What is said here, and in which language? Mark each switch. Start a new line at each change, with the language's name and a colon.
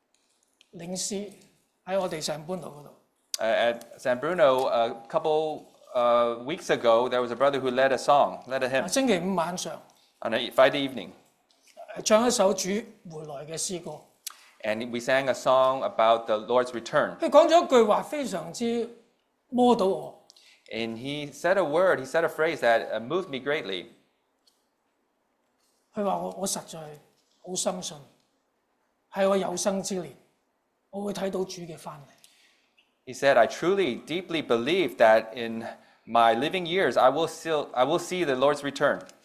Chinese: 上上个星期五晚上有个弟兄领事在我们圣班道那里,
English: At San Bruno, a couple weeks ago, there was a brother who led a song, led a hymn.
Chinese: 星期五晚上,
English: on a Friday evening,
Chinese: 唱一首主回来的诗歌,
English: and we sang a song about the Lord's return.
Chinese: 他讲了一句话非常之摸到我,
English: and he said a word, he said a phrase that moved me greatly.
Chinese: 他说我实在好深信, 在我有生之年, 我会看到主的回来.
English: He said, I truly, deeply believe that in my living years, I will see the Lord's return.